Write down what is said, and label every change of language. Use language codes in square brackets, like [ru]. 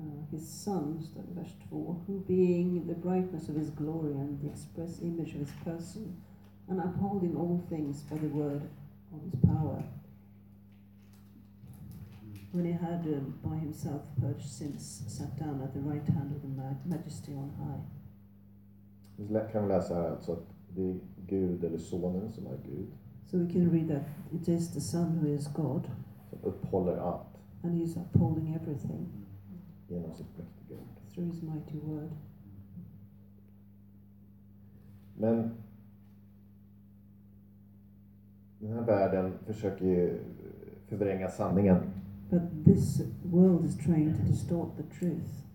[en] His son, vers 2, who being the brightness of his glory and the express image of his person and upholding all things by the word of his power. When he had by himself purged sins, sat down at the right hand of the majesty on high. [sv] Det kan vi läsa här alltså att det är Gud eller sonen som är Gud. [en] So we can read that it is the son who is God. [sv] Som upphåller allt. [en] And he is upholding everything. [sv] Genom sitt mäktiga ord. [en] Through his mighty word. [sv] Men den här världen försöker ju förvränga sanningen. [en] But this world is trying to distort the truth.